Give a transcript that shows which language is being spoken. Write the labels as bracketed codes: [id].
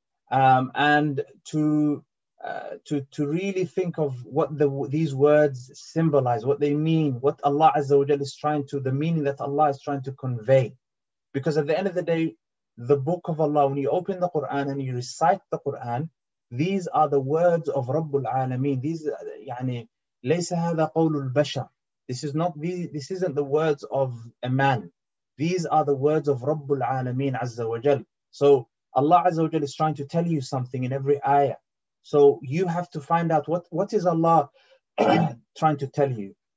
[en] And to really think of what these words symbolize, what they mean, what Allah Azza wa Jal is trying to, the meaning that Allah is trying to convey. Because at the end of the day, the Book of Allah, when you open the Quran and you recite the Quran, these are the words of Rabbul Alameen. [ar] These, يعني, ليس هذا قول البشر. [en] This isn't the words of a man. These are the words of Rabbul Alameen Azza wa Jal. So Allah Azza wa Jal is trying to tell you something in every ayah. So you have to find out what is Allah trying to tell you.